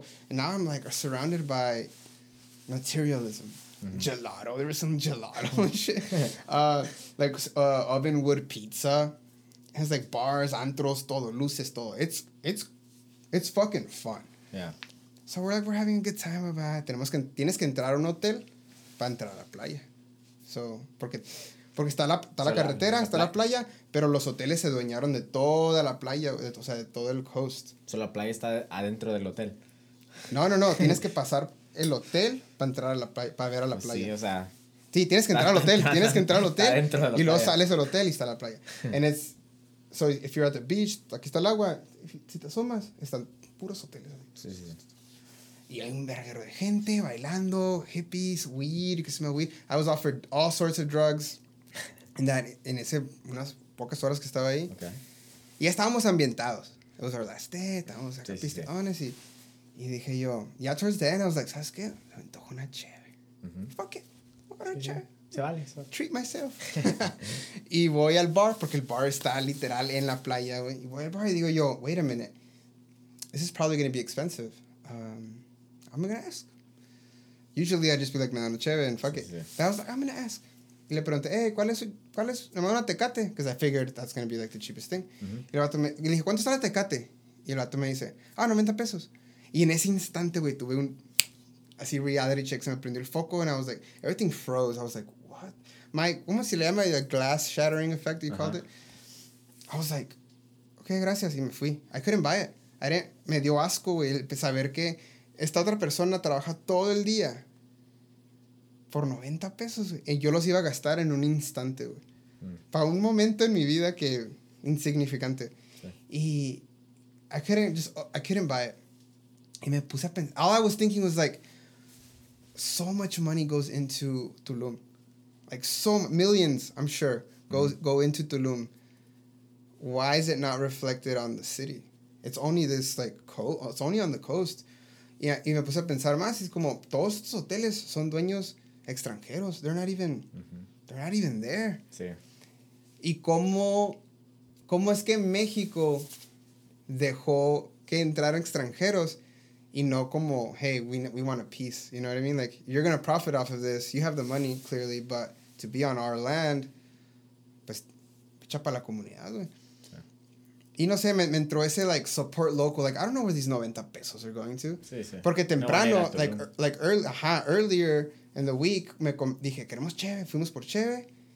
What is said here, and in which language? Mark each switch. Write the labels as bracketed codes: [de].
[en] Yeah. And now I'm, like, surrounded by materialism. Mm-hmm. Gelato. There was some gelato and shit. oven wood pizza. It has, like, [es] bars, antros, todo, luces, todo. [en] It's It's fucking fun. Yeah. So we're like, we're having a good time about it. [es] Tienes que entrar a un hotel para entrar a la playa. So, porque está la carretera, está la playa, pero los hoteles se adueñaron de toda la playa, o sea, de todo el coast. So la playa está adentro del hotel. No. Tienes que pasar el hotel para entrar a la playa, para ver a la playa. Sí, o sea... Sí, tienes que entrar al hotel, tienes que entrar al hotel y luego sales del hotel y está la playa. [en] And it's, so if you're at the beach, [es] aquí está el agua, si te asomas, están puros hoteles. Sí, sí, sí. Y hay un verguero de gente bailando, hippies, weed, [en] you can smell weed. I was offered all sorts of drugs [es] en ese unas pocas horas que estaba ahí. [en] Okay. [es] Y ya estábamos ambientados. [en] It was our last day, [es] estábamos acá pistones sí. Y dije yo, [en] yeah, towards the end, I was like, [es] ¿sabes qué? Me antojo una chévere. Mm-hmm. [en] Fuck it. [es] Se vale. [en] Treat myself. [es] Y voy al bar, porque el bar está literal en la playa, güey. Y voy al bar y digo yo, [en] wait a minute. This is probably going to be expensive. I'm going to ask. Usually I just be like, man, cheve, and fuck it. Sí. But I was like, I'm going to ask. [es] Y le pregunté, hey, ¿cuál es? Me voy a una tecate. [en] Because I figured that's going to be like the cheapest thing. Uh-huh. [es] Y el vato y le dije, ¿cuánto está la tecate? Y el vato me dice, $90. Y en ese instante, güey, tuve un... [en] Así reality checks, [es] me prendió el foco, [en] and I was like, everything froze. I was like, what? [es] ¿Cómo se le llama? [en] The glass shattering effect, you called it. I was like, okay, [es] gracias, y me fui. [en] I couldn't buy it. [es] Me dio asco, güey, saber que esta otra persona trabaja todo el día por $90, güey. Y yo los iba a gastar en un instante, güey. Mm. Para un momento en mi vida que insignificante. [en] Okay. Y I couldn't buy it. [es] Y me puse a pensar, [en] all I was thinking was like, so much money goes into Tulum. Like, so millions, I'm sure, go into Tulum. Why is it not reflected on the city? It's only this, like, it's only on the coast. [es] Yeah, y me puse a pensar más. Es como, todos estos hoteles son dueños extranjeros. [en] They're not even there. [es] Sí. Y cómo es que México dejó que entraran extranjeros. Y no como, [en] hey, we want a piece. You know what I mean? Like, you're going to profit off of this. You have the money, clearly. But to be on our land, [es] pues, echa para la comunidad, güey. Sí. Y no sé, me entró ese, like, [en] support local. Like, I don't know where these $90 are going to. [es] Sí, sí. Porque temprano, no, [en] earlier in the week, [es] dije, queremos cheve. Fuimos por cheve.